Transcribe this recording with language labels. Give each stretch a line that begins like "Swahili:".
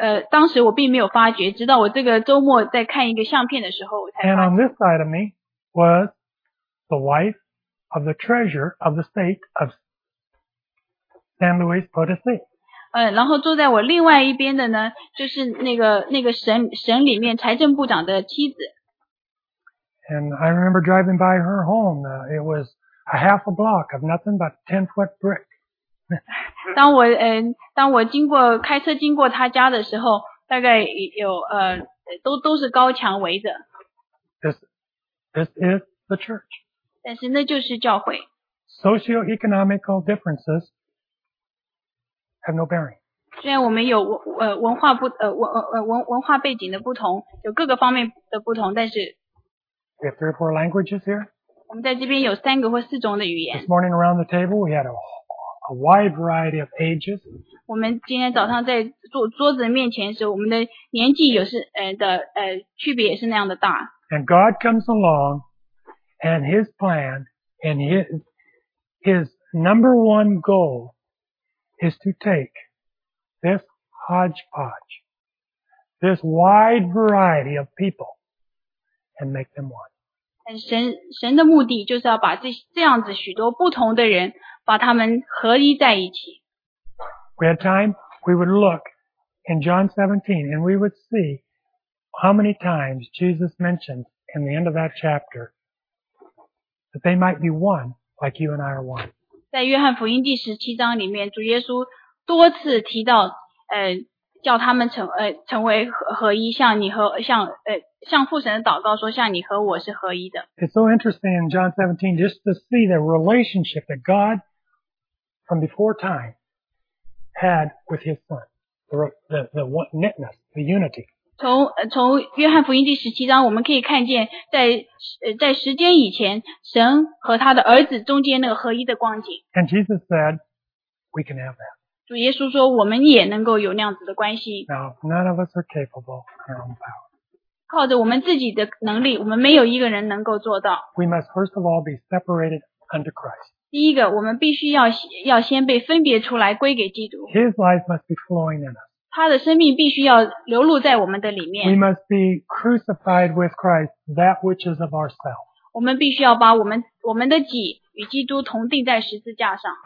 Chinese: 当时我并没有发觉，直到我这个周末在看一个相片的时候，我才发现。
English: And on this side of me was the wife of the treasurer of the state of San Luis Potosí.
Chinese: 然后坐在我另外一边的呢，就是那个省里面财政部长的妻子。
English: And I remember driving by her home. It was a half a block of nothing but 10-foot brick.
Chinese: 当我经过开车经过他家的时候，大概有都是高墙围着。
English: This is the church.
Chinese: 但是那就是教会。
English: Socio-economical differences have no bearing.
Chinese: 虽然我们有文化背景的不同，有各个方面的不同，但是。
English: We have 3 or 4 languages here.
Chinese: 我们在这边有三个或四种的语言。
English: This morning around the table we had a wide variety of ages.
Chinese: 我们今天早上在坐桌子面前的时候，我们的年纪有是区别也是那样的大。
English: And God comes along, and His plan and His number one goal is to take this hodgepodge, this wide variety of people, and make them one.
Chinese: 神的目的就是要把这样子许多不同的人。把他们合一在一起。
English: We had time, we would look in John 17 and we would see how many times Jesus mentioned in the end of that chapter that they might be one like you and I are one.
Chinese: 在约翰福音第十七章里面，主耶稣多次提到，叫他们成为合一，像你和像父神的祷告说，像你和我是合一的。
English: It's so interesting in John 17 just to see the relationship that God. From before time, had with his son, the oneness, the unity.
Chinese: 从约翰福音第十七章，我们可以看见在时间以前，神和他的儿子中间那个合一的光景。
English: And Jesus said, "We can have that."
Chinese: 主耶稣说，我们也能够有那样子的关系。
English: Now, none of us are capable of our own power.
Chinese: 靠着我们自己的能力，我们没有一个人能够做到。
English: We must first of all be separated unto Christ.
Chinese: 第一个，我们必须要先被分别出来，归给基督。
English: His life must be flowing in us.
Chinese: 他的生命必须要流露在我们的里面。
English: We must be crucified with Christ, that which is of ourselves.
Chinese: 我们必须要把我们的己与基督同钉在十字架上。